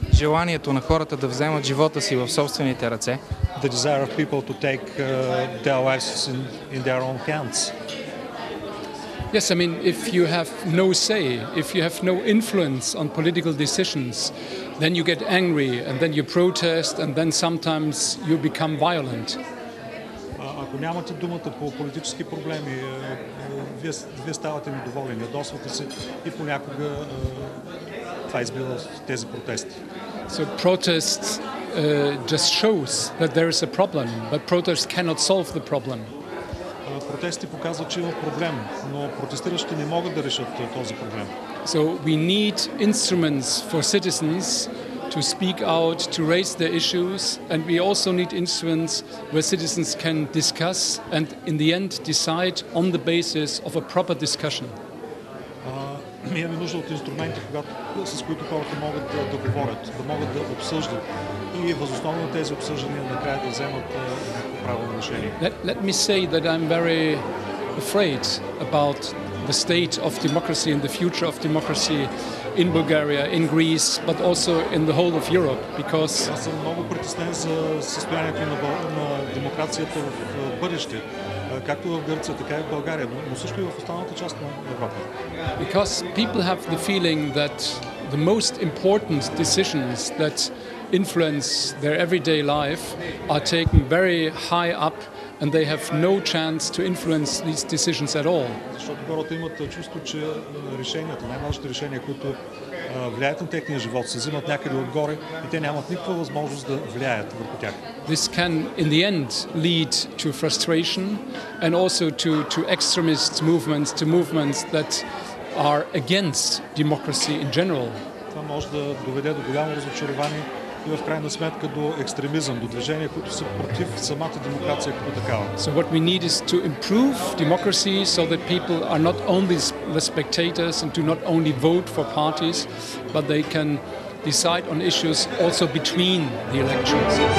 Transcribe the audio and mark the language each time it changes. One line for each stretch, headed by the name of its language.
Bulgarian: Желанието на хората да вземат живота си в собствените ръце.
English: The desire of people to take their lives in their own hands. Yes, I mean, if you have no say, if you have no influence on political decisions, then you get angry and then you protest and then sometimes you become violent.
Bulgarian: Ако нямате думата по политически проблеми, вие ставате недоволни, ядосвате се и понякога това избива тези протести.
English: So protests just shows that there is a problem, but protests cannot solve the problem.
Bulgarian: Протести показват, че има проблем, но протестиращите не могат да решат този проблем.
English: So we need instruments for citizens to speak out, to raise their issues, and we also need instruments where citizens can discuss and in the end decide on the basis of a proper discussion.
Bulgarian: Ние имаме нужда от инструменти, с които хората могат да говорят, да могат да обсъждат и въз основа на тези обсъждания накрая да вземат правилно решение.
English: Let me say that I'm very afraid about the state of democracy and the future of democracy in Bulgaria, in Greece, but also in the whole of Europe, because
Bulgarian: аз съм много притеснен за състоянието на демокрацията в бъдеще, както в Гърция, така и в България, но също и в останалата част на Европа.
English: Because people have the feeling that the most important decisions that influence their everyday life are taken very high up and they have no chance to influence these decisions at all.
Bulgarian: Защото хората имат чувство, че решенията, най-важните решения, които влияят на техния живот, се взимат някъде отгоре и те нямат никаква възможност да влияят върху тях.
English: This can in the end lead to frustration and also to extremist movements, to movements that are against democracy in general.
Bulgarian: Това може да доведе до голямо разочарование и в крайна сметка до екстремизъм, до движения, които са против самата демокрация като такава.
English: So what we need is to improve democracy so that people are not only the spectators and do not only vote for parties, but they can decide on issues also between the elections.